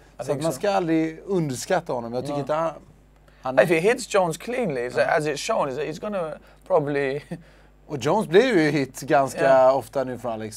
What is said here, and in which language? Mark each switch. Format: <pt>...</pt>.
<sv>Så att man ska aldrig underskatta honom. Jag tycker inte han är...</sv> <en>If he hits Jones cleanly, as it's shown, he's gonna probably...</en> <sv>Och Jones blir ju hit ganska ofta nu från Alex.</sv>